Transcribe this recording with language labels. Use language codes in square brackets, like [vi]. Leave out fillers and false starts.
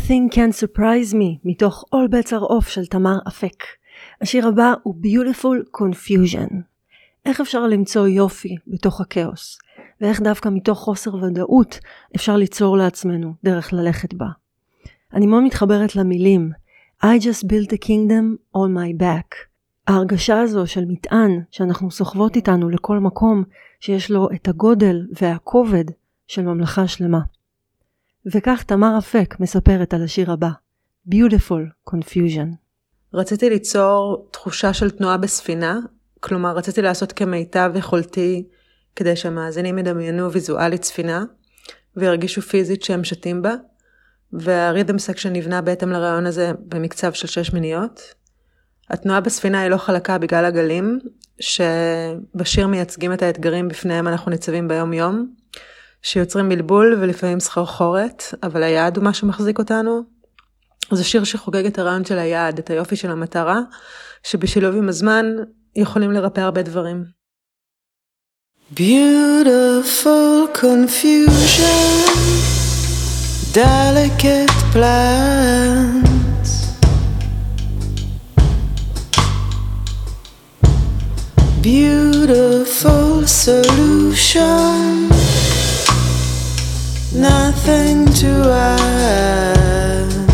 [he] Can't Surprise Me, מתוך All Bets Are Off של תמר אפק. השיר הבא הוא Beautiful Confusion. איך אפשר למצוא יופי בתוך הכאוס? ואיך דווקא מתוך חוסר ודאות אפשר ליצור לעצמנו דרך ללכת בה? אני מאוד מתחברת למילים [en] I just built a kingdom on my back. [he] ההרגשה הזו של מטען שאנחנו סוחבות איתנו לכל מקום שיש לו את הגודל והכובד של ממלכה שלמה. וכך תמר אפק מספרת על השיר הבא, Beautiful Confusion. רציתי ליצור תחושה של תנועה בספינה, כלומר רציתי לעשות כמיטב יכולתי כדי שהמאזינים ידמיינו ויזואלית ספינה וירגישו פיזית שהם שתים בה, והרית'ם סקשן נבנה בהתאם לרעיון הזה במקצב של 6 מיניות. התנועה בספינה היא לא חלקה בגלל הגלים, שבשיר מייצגים את האתגרים בפניהם אנחנו ניצבים ביום יום, שיוצרים בלבול ולפעמים סחרחורת, אבל היעד הוא מה שמחזיק אותנו. זה שיר שחוגג את הרעיון של היעד, את היופי של המטרה, שבשילוב עם הזמן יכולים לרפא הרבה דברים. [en] Beautiful confusion, delicate plans, beautiful solution, nothing to add,